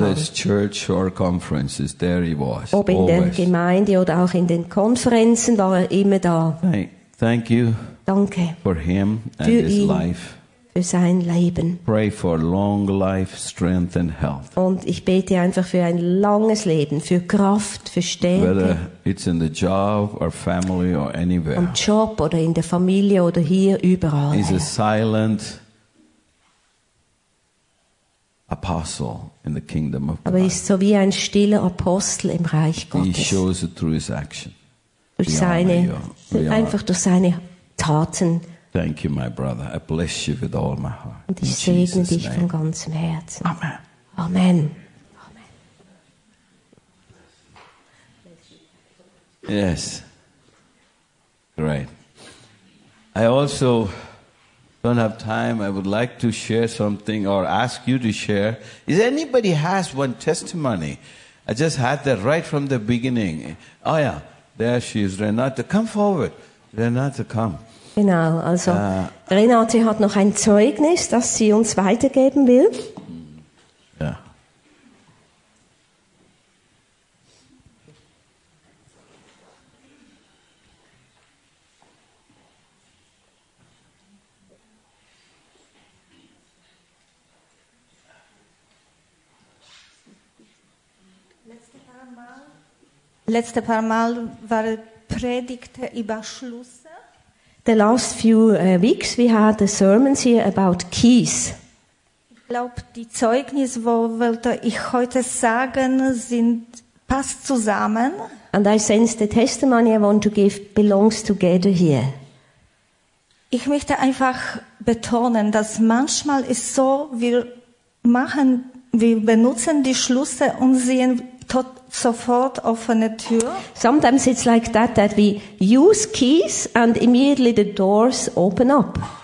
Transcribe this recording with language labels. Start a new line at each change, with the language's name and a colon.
English: Whether it's church or conferences, there he was. Ob in always.
German: Der Gemeinde oder auch in den Konferenzen war er immer da.
English: Thank you.
German: Danke.
English: For him and
German: für
English: his
German: ihn,
English: life.
German: Für sein Leben.
English: Pray for long life, strength and health.
German: Und ich bete einfach für ein langes Leben, für Kraft, für Stärke.
English: Whether it's in the job or family or anywhere.
German: Am Job oder in der Familie oder hier überall.
English: He's a silent apostle in the kingdom of God.
German: Aber ist so wie ein stiller Apostel im Reich Gottes.
English: He shows it through his action.
German: durch seine, einfach durch seine Taten.
English: Thank you, my brother. I bless you with all my heart.
German: Und ich segne dich von ganzem Herzen.
English: Amen. Amen. Yes. Right. I also don't have time. I would like to share something or ask you to share. Is anybody has one testimony? I just had that right from the beginning. Oh yeah, there she is, Renate. Come forward. Renate, come.
German: Genau, also Renate hat noch ein Zeugnis, das sie uns weitergeben will.
English: Yeah.
German: Letzte paar Mal war Predigt über Schlüsse.
English: The last few weeks we had the sermons here about keys.
German: Ich glaube, die Zeugnis, wo wollte ich heute sagen, sind passt zusammen.
English: And I sense the testimony I want to give belongs together here.
German: Ich möchte einfach betonen, dass manchmal ist so, wir benutzen die Schlüsse und sehen tot sofort offene Tür.
English: Sometimes it's like that we use keys and immediately the doors open up.